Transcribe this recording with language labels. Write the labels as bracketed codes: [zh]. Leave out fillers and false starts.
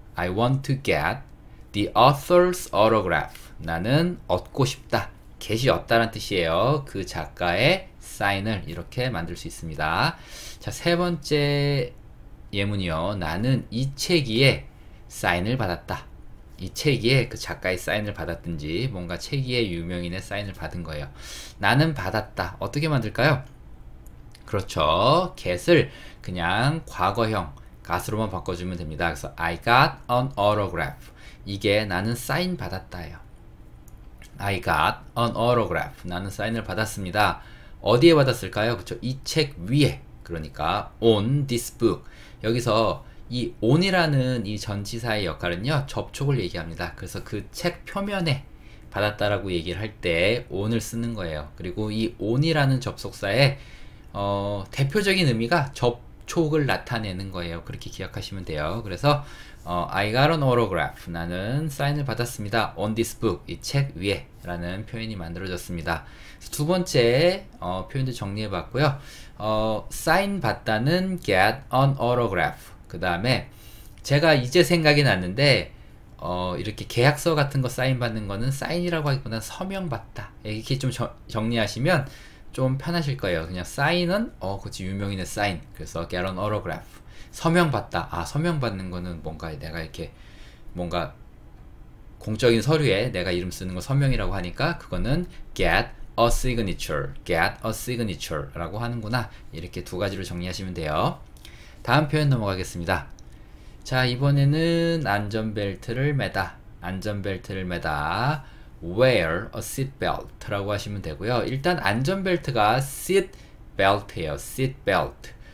[en] I want to get the author's autograph. [ko] 나는 얻고 싶다. get이 없다란 뜻이에요. 그 작가의 sign을 이렇게 만들 수 있습니다. 자, 세 번째 예문이요. 나는 이 책에 sign을 받았다. 이 책에 그 작가의 사인을 받았든지 뭔가 책에 유명인의 사인을 받은 거예요. 나는 받았다. 어떻게 만들까요? 그렇죠. get을 그냥 과거형 got으로만 바꿔주면 됩니다. 그래서 [en] I got an autograph. [ko] 이게 나는 사인 받았다예요. [en] I got an autograph. [ko] 나는 사인을 받았습니다. 어디에 받았을까요? 그렇죠. 이책 위에. 그러니까 [en] on this book. [ko] 여기서 이 on이라는 이 전치사의 역할은요, 접촉을 얘기합니다. 그래서 그책 표면에 받았다라고 얘기를 할때 on을 쓰는 거예요. 그리고 이 on이라는 접속사의 대표적인 의미가 접촉을 나타내는 거예요. 그렇게 기억하시면 돼요. [en] 그래서 I got an autograph. [ko] 나는 사인을 받았습니다. [en] On this book, [ko] 이책 위에라는 표현이 만들어졌습니다. 두 번째 표현도 정리해 봤고요. [en] Sign [ko] 받다는 [en] get an autograph. [ko] 그 다음에 제가 이제 생각이 났는데 이렇게 계약서 같은 거 사인 받는 거는 사인이라고 하기보다는 서명 받다 이렇게 좀 정리하시면 좀 편하실 거예요. 그냥 사인은 그치 유명인의 사인. [en] 그래서 get an autograph. [ko] 서명 받다. 아, 서명 받는 거는 뭔가 내가 이렇게 뭔가 공적인 서류에 내가 이름 쓰는 거 서명이라고 하니까 그거는 [en] get a signature. get a signature [ko] 라고 하는구나. 이렇게 두 가지로 정리하시면 돼요. 다음 표현 넘어가겠습니다. 자, 이번에는 안전벨트를 매다. 안전벨트를 매다. [en] Wear a seatbelt [ko] 라고 하시면 되고요. 일단 안전벨트가 seatbelt예요. [en] seatbelt.